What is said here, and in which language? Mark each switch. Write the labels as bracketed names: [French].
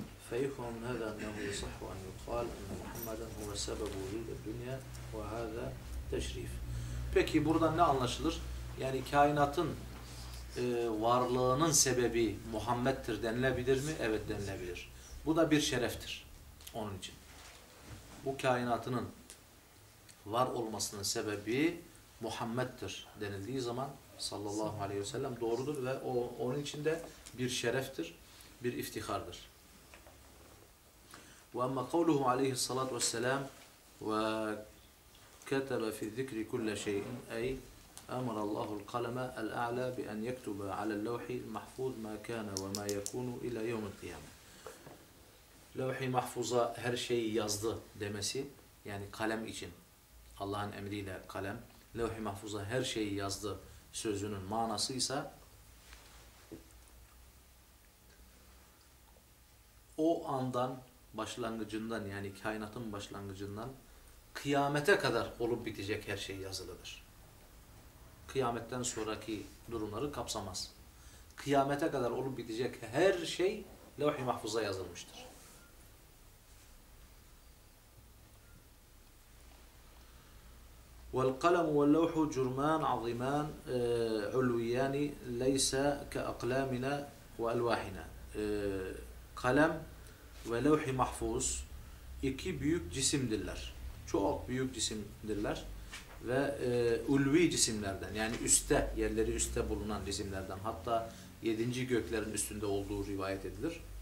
[Arabic] فيفهم هذا أنه يصح أن يقال أن محمدا هو سبب وجود الدنيا وهذا تشريف. [Turkish] Peki buradan ne anlaşılır? Yani kainatın varlığının sebebi Muhammed'dir denilebilir mi? Evet denilebilir. Bu da bir şereftir onun için. Bu kainatının var olmasının sebebi Muhammed'dir denildiği zaman sallallahu aleyhi ve sellem doğrudur ve o onun için de bir şereftir, bir iftihardır. [Arabic] وأما قوله عليه الصلاة والسلام وكتب في الذكر كل شيء أي أمر الله القلم الأعلى بأن يكتب على اللوح المحفوظ ما كان وما يكون إلى يوم القيامة. [Turkish] Levh-i mahfuza her şeyi yazdı demesi, yani kalem için, Allah'ın emriyle kalem, levh-i mahfuza her şeyi yazdı sözünün manası ise, o andan başlangıcından, yani kainatın başlangıcından kıyamete kadar olup bitecek her şey yazılıdır. Kıyametten sonraki durumları kapsamaz. Kıyamete kadar olup bitecek her şey levh-i mahfuza yazılmıştır. [Arabic] والقلم واللوح جرمان عظيمان علويان ليس كأقلامنا وألواحنا. [Turkish] Kalem ve levh-i mahfuz iki büyük cisimdirler. Çok büyük cisimdirler ve ulvi cisimlerden, yani üstte, yerleri üstte bulunan cisimlerden, hatta yedinci göklerin üstünde olduğu rivayet edilir.